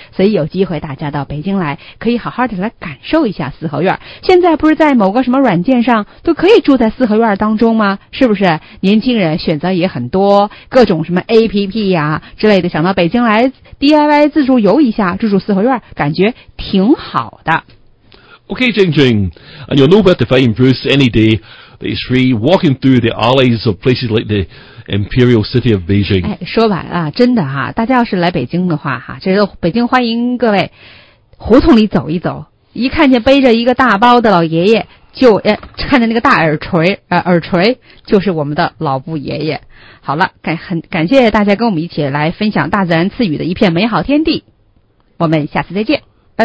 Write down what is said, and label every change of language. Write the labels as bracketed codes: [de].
[zh] 所以有机会大家到北京来，可以好好的来感受一下四合院。现在不是在某个什么软件上都可以住在四合院当中吗？是不是年轻人选择也很多，各种什么 APP 呀之类的，想到北京来 DIY 自助游一下，住住四合院感觉挺好的。 [en] OK Jing Jing, and you'll know where to find Bruce any day that he's free walking through the alleys of places like theImperial City of Beijing. [zh] 哎，说完了，真的哈，大家要是来北京的话哈，这是北京欢迎各位胡同里走一走，一看见背着一个大包的老爷爷，就看着那个大耳垂耳垂就是我们的老布爷爷。好了，感谢大家跟我们一起来分享大自然赐予的一片美好天地，我们下次再见，拜